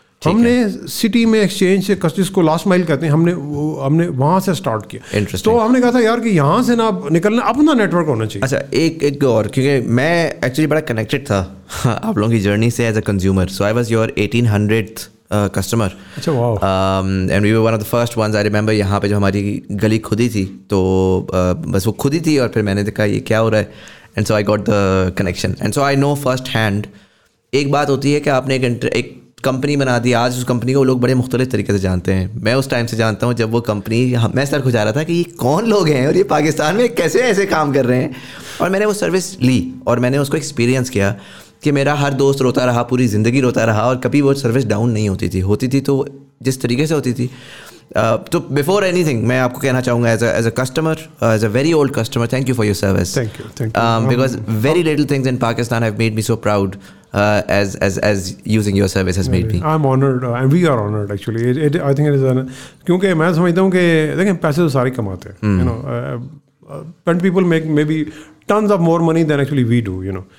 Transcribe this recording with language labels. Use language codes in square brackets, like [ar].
[ur] ہم نے سٹی میں ایکسچینج سے جس کو لاسٹ مائل کہتے ہیں, ہم نے وہاں سے اسٹارٹ کیا. [en] Interesting. [ur] تو ہم نے کہا تھا یار کہ یہاں سے نہ نکلنا, اپنا نیٹورک ہونا چاہیے. اچھا ایک اور, کیونکہ میں ایکچولی بڑا کنیکٹڈ تھا آپ لوگوں کی جرنی سے [en] As a consumer, so I was your 1800 customer. [ur] اچھا [en] Wow. And we one of the first ones. I remember [ur] یہاں پہ جو ہماری گلی کھدی تھی تو بس وہ کھدی تھی, اور پھر میں نے دیکھا یہ کیا ہو رہا ہے, [en] And so I got the connection, and so I know first hand. [ur] ایک بات ہوتی ہے کہ آپ نے ایک کمپنی بنا دی, آج اس کمپنی کو لوگ بڑے مختلف طریقے سے جانتے ہیں. میں اس ٹائم سے جانتا ہوں جب وہ کمپنی, میں سر کو جا رہا تھا کہ یہ کون لوگ ہیں اور یہ پاکستان میں کیسے ایسے کام کر رہے ہیں. اور میں نے وہ سروس لی اور میں نے اس کو ایکسپیرینس کیا کہ میرا ہر دوست روتا رہا, پوری زندگی روتا رہا, اور کبھی وہ سروس ڈاؤن نہیں ہوتی تھی. ہوتی تھی تو جس طریقے سے ہوتی تھی. [en] تو before anything [ur] میں آپ کو کہنا چاہوں گا [en] As a customer, as a very old customer, thank you for your service. Thank you. Because very little things in Pakistan have made me so proud as using your service has made me. I'm honored. We are honored actually. I think it is an, [ur] kyunki main samajhta hu ki dekhen paise to sare kamate hain, [en] you know, and people make maybe tons of more money than actually we do, you know.